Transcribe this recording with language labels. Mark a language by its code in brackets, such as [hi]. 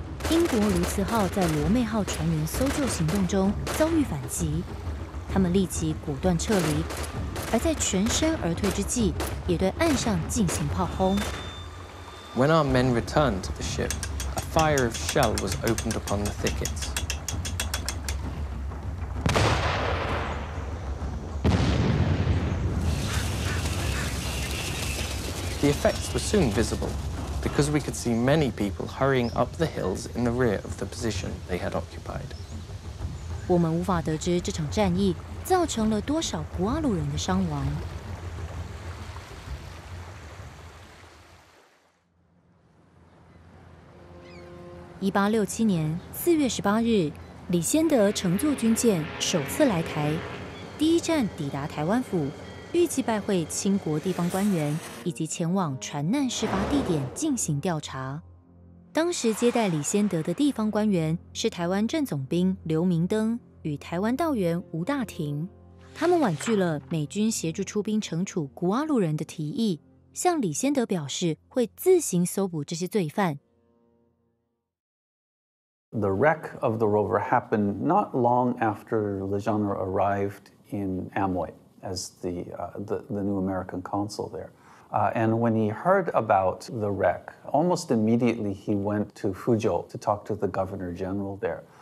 [zh] 英国卢茨号在罗妹号船员搜救行动中遭遇反击，他们立即果断撤离，而在全身而退之际，也对岸上进行炮轰。 [en] When our men returned to the ship, a fire of shell was opened upon the thickets. 'Cause we could see many people hurrying up the hills in the rear of the position they had occupied. [zh] 我们无法得知这场战役造成了多少古阿鲁人的伤亡。 1867年4月18日，李先德乘坐军舰首次来台，第一站抵达台湾府。预计拜会清国地方官员，以及前往船难事发地点进行调查。当时接待李先德的地方官员是台湾政总兵刘明登，与台湾道员吴大廷，他们婉拒了美军协助出兵惩处古阿鲁人的提议，向李先德表示会自行搜捕这些罪犯。 [en] The wreck of the rover happened not long after Legendre arrived in Amoy as the new American consul there. And when he heard about the wreck, almost immediately he went to Fuzhou to talk to the governor general there.